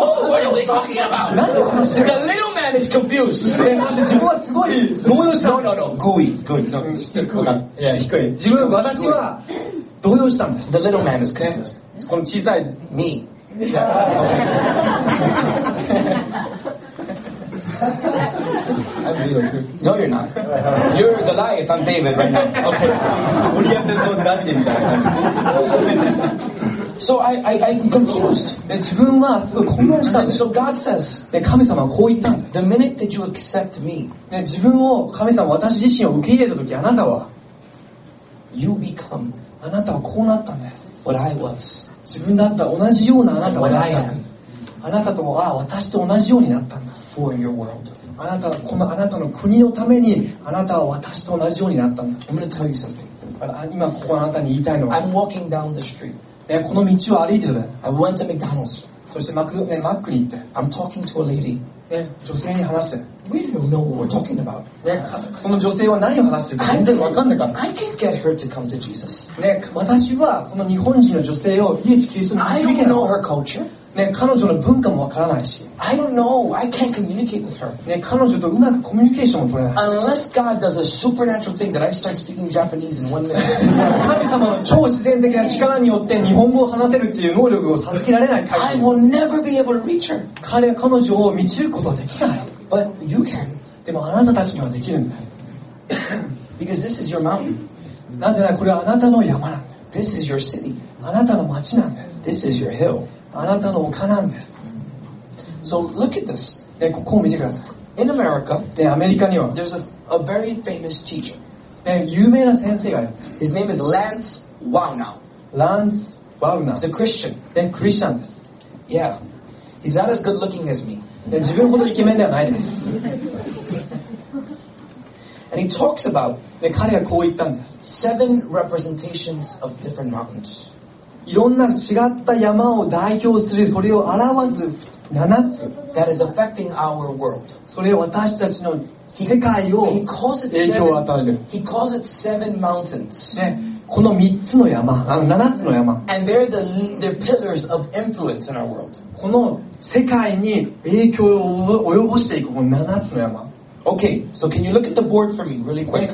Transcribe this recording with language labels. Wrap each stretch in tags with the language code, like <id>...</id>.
<en>Oh, what are we talking about?</en> <ja>なんでこの人?</ja> <en>The little man is confused.</en> <ja>自分はすごい動揺したんです。</ja> <en>No, no, no.</en> <ja>高位。高位。</ja> <en>No.</en> <ja>低い。自分、私は動揺したんです。</ja> <en>The little man is confused.</en> <ja>この小さい。</ja> <en>Me. No, you're not. You're the lion. I'm David right now. Okay. We have to go David</en> <ja>みたいな。</ja> <en>So I'm confused.</en> <ja>自分はすごい混乱したんです。</ja> <en>So God says,</en> <ja>神様はこう言ったんです。</ja> <en>The minute that you accept me,</en> <ja>自分を神様私自身を受け入れた時あなたは、</ja> <en>you become,</en> <ja>あなたはこうなったんです。</ja> <en>What I was,</en> <ja>自分だった同じようなあなたはなったんです。あなたとは私と同じようになったんだ。</ja> <en>For your world.</en> <ja>あなたはこのあなたの国のためにあなたは私と同じようになったんだ。</ja> <en>I'm gonna tell you something.</en> <ja>今ここあなたに言いたいのは、</ja> <en>I'm walking down the street.</en> <ja>この道を歩いてる。</ja> <en>I went to McDonald's.</en> <ja>そしてマックに行って。</ja> <en>I'm talking to a lady.</en> <ja>女性に話す。</ja> <en>We don't know what we're talking about.</en> <ja>その女性は何を話してるか全然わかんないから。</ja> <en>I can get her to come to Jesus.</en> <ja>私はこの日本人の女性をイエス・キリストに導けない。</ja> <en>I don't know her culture.</en> <ja>彼女の文化もわからないし、</ja> <en>I don't know. I can't communicate with her.</en> <ja>彼女とうまくコミュニケーションを取れない。</ja> <en>Unless God does a supernatural thing that I start speaking Japanese in one minute.</en> <ja>神様の超自然的な力によって日本語を話せるっていう能力を授けられない。</ja> <en>I will never be able to reach her.</en> <ja>彼は彼女を導くことはできない。</ja> <en>But you can.</en> <ja>でもあなたたちにはできるんです。</ja> <en>Because this is your mountain.</en> <ja>なぜならこれはあなたの山なんです。</ja> <en>This is your city.</en> <ja>あなたの町なんです。</ja> <en>This is your hill.</en> <ja>あなたの丘なんです。</ja> <en>So look at this.</en> <ja>ここを見てください。</ja> <en>In America,</en> <ja>でアメリカには、</ja> <en>there's a very famous teacher.</en> <ja>有名な先生がいます。</ja> <en>His name is Lance Wagner. Lance Wagner. He's a Christian.</en> <ja>クリスチャンです。</ja> <en>Yeah. He's not as good looking as me.</en> <ja>自分ほどイケメンではないです。</ja> <en>And he talks about,</en> <ja>彼はこう言ったんです。</ja> <en>Seven representations of different mountains.</en> <ja>いろんな違った山を代表するそれを表す7つ</ja> <en>That is affecting our world.</en> <ja>それを私たちの世界を影響を与える</ja> <en>he calls it seven, he calls it seven mountains.、</en> <ja>ね、この3つの山7つの山</ja> <en>And they're the pillars of influence in our world.</en> <ja>この世界に影響を及ぼしていくこの7つの山</ja> <en>Okay, so can you look at the board for me really quick?</en>